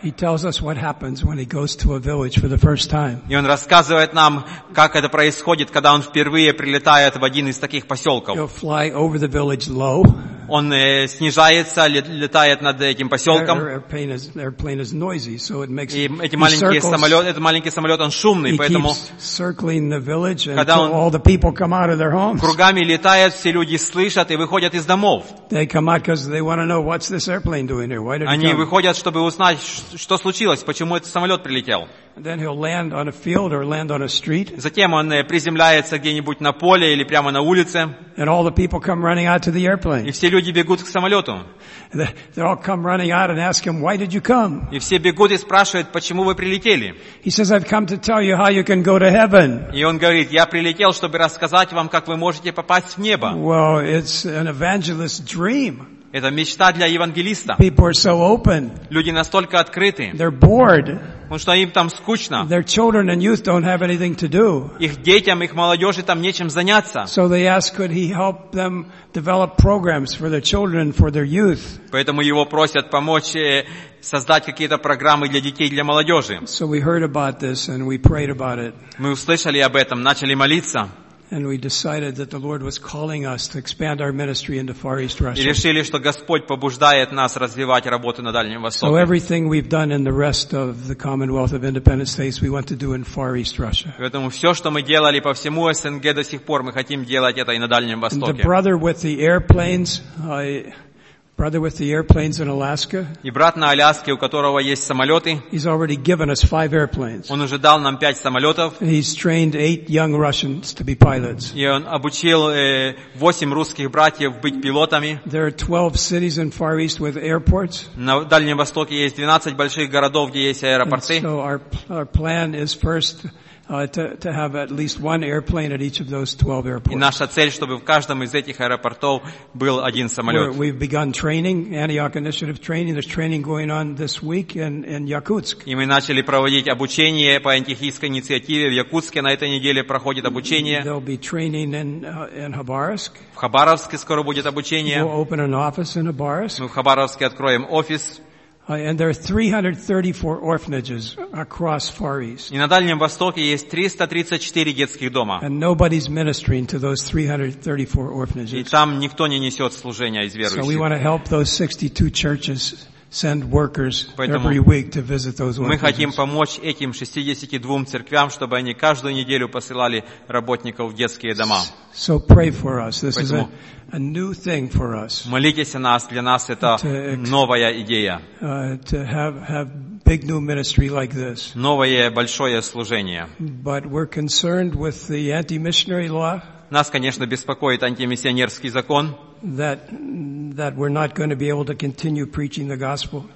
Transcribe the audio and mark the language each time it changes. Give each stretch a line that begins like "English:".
English: He tells us what happens when he goes to a village for the first time.
Russian: И он рассказывает нам, как это происходит, когда он впервые прилетает в один из таких поселков.
English: He'll fly over the village low.
Russian: Он снижается, летает над этим поселком. Этот маленький самолет, он шумный, поэтому когда он кругами летает, все люди слышат и выходят из домов. Они выходят, чтобы узнать, что случилось, почему этот самолет прилетел.
English: Then he'll land on a field or land on a street.
Russian: Затем он приземляется где-нибудь на поле или прямо на улице.
English: And all the people come running out to the airplane.
Russian: И все люди бегут к самолету.
English: They all come running out and ask him, "Why did you come?"
Russian: И все бегут и спрашивают, почему вы прилетели.
English: He says, "I've come to tell you how you can go to heaven."
Russian: И он говорит, я прилетел, чтобы рассказать вам, как вы можете попасть в небо.
English: Well, it's an evangelist's dream.
Russian: Это мечта для евангелиста.
English: People are so open.
Russian: Люди настолько открыты.
English: They're bored.
Russian: Потому что им там скучно.
English: Their children and youth don't have anything to do.
Russian: Их детям, их молодежи там нечем заняться.
English: So they ask, could he help them develop programs for their children and for their youth?
Russian: Поэтому его просят помочь создать какие-то программы для детей, для молодежи.
English: So we heard about this and we prayed about it.
Russian: Мы услышали об этом, начали молиться.
English: And we decided that the Lord was calling us to expand our ministry into Far East Russia.
Russian: И решили, что Господь побуждает нас развивать работу на Дальнем Востоке.
English: So everything we've done in the rest of the Commonwealth of Independent States, we want to do in Far East Russia.
Russian: Поэтому все, что мы делали по всему СНГ до сих пор, мы хотим делать это и на Дальнем Востоке.
English: And the brother with the airplanes, brother with the airplanes in Alaska.
Russian: И брат на Аляске, у которого есть самолеты.
English: He's already given us 5 airplanes.
Russian: Он уже дал нам 5 самолетов.
English: He's trained 8 young Russians to be pilots.
Russian: И он обучил 8 русских братьев быть пилотами.
English: There are 12 cities in Far East with airports.
Russian: На Дальнем Востоке есть 12 больших городов, где есть аэропорты.
English: And so our plan is first to have at least one airplane at each of those 12 airports.
Russian: И наша цель, чтобы в каждом из этих аэропортов был один самолет.
English: We've begun training, Antioch Initiative training. There's training going on this week in Якутск.
Russian: И мы начали проводить обучение по антиохийской инициативе в Якутске. На этой неделе проходит обучение.
English: There'll be training in Khabarovsk.
Russian: В Хабаровске скоро будет обучение.
English: We'll open an office in Khabarovsk.
Russian: Мы в Хабаровске откроем офис.
English: And there are 334 orphanages across Far East.
Russian: И на Дальнем Востоке есть 334 детских дома.
English: And nobody's ministering to those 334 orphanages.
Russian: И там никто не несет служения из верующих.
English: So we want to help those 62 churches send workers every week to visit those orphanages.
Russian: Мы хотим помочь этим 62 церквям, чтобы они каждую неделю посылали работников в детские дома.
English: So pray for us. This is a new thing for us.
Russian: Молитесь о нас, для нас это новая идея.
English: To have big new ministry like this.
Russian: Новое большое служение.
English: But we're concerned with the anti-missionary law.
Russian: Нас, конечно, беспокоит антимиссионерский закон.
English: That that we're not going to be able to continue preaching the gospel.